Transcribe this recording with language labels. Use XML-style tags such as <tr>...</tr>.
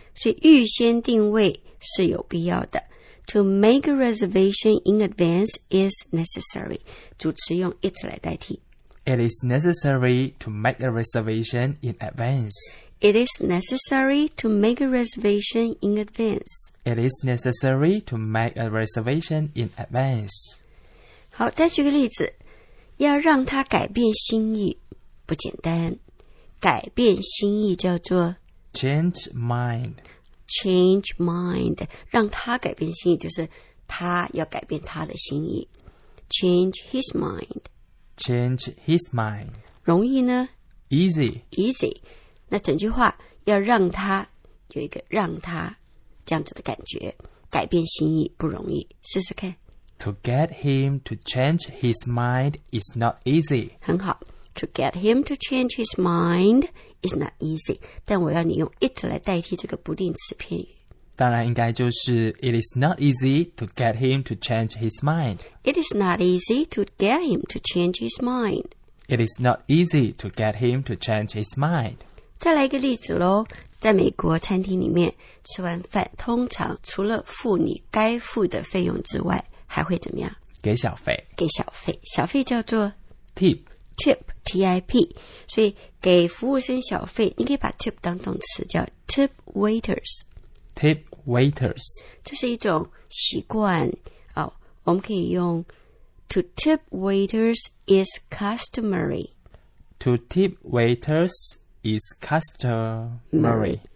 <zh>所以预先定位是有必要的。</zh> <en>To make a reservation in advance is necessary，</en> <zh>主词用</zh> <en>it</en> <zh>来代替。</zh> <en>It is necessary to make a reservation in advance. It is necessary to make a reservation in advance. It is necessary to make a reservation in advance.</en> <zh>好，再举个例子，要让他改变心意不简单。改变心意叫做</zh> <en>change mind. Change mind，</en> <zh>让他改变心意就是他要改变他的心意。</zh> <en>Change his mind. Change his mind.</en> <zh>容易呢</zh> <en>？Easy. Easy.</en> <zh>那整句话要让他有一个让他这样子的感觉，改变心意不容易。试试看。</zh> <en>To get him to change his mind is not easy.</en> <zh>很好。</zh> <en>To get him to change his mind is not easy.</en> <zh>但我要你用 it 来代替这个不定词片语。当然应该就是</zh> <en>It is not easy to get him to change his mind. It is not easy to get him to change his mind. It is not easy to get him to change his mind.</en> <zh>再来一个例子咯，在美国餐厅里面吃完饭，通常除了付你该付的费用之外，还会怎么样？给小费。给小费，小费叫做</zh> <en>tip。 tip， T-I-P。</en> <zh>所以给服务生小费，你可以把 tip 当动词，叫</zh> <en>tip waiters。 Tip waiters，</en> <zh>这是一种习惯、哦、我们可以用</zh> <en>To tip waiters is customary. To tip waiters is customary.</en>